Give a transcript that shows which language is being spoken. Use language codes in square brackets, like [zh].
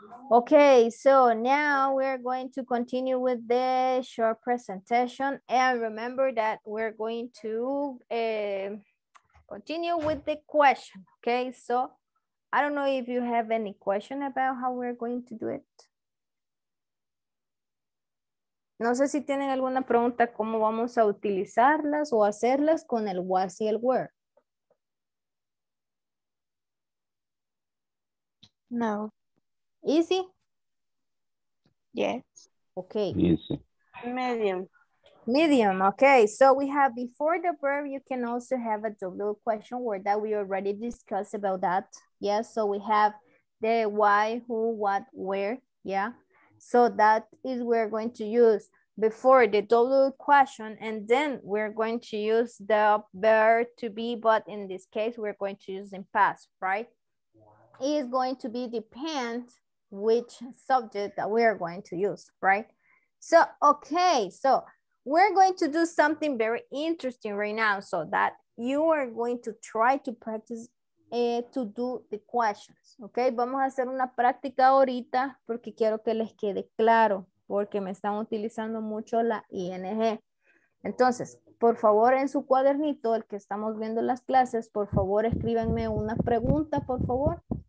[en] Okay, so now we're going to continue with the short presentation. And remember that we're going to continue with the question. Okay, so I don't know if you have any question about how we're going to do it. [es] No sé si tienen alguna pregunta cómo vamos a utilizarlas o hacerlas con el was y el were. No. [en] Easy? Yes. Okay. Easy. Medium. Medium. Okay. So we have before the verb, you can also have a W question word that we already discussed about that. Yes. So we have the why, who, what, where. Yeah. So that is we're going to use before the W question. And then we're going to use the verb to be, but in this case, we're going to use in past, right? Is going to be depend which subject that we are going to use, right? So, okay, so we're going to do something very interesting right now so that you are going to try to practice to do the questions, okay? [es] Vamos a hacer una práctica ahorita porque quiero que les quede claro porque me están utilizando mucho la ING. Entonces, por favor, en su cuadernito, el que estamos viendo las clases, por favor, escríbanme una pregunta, por favor.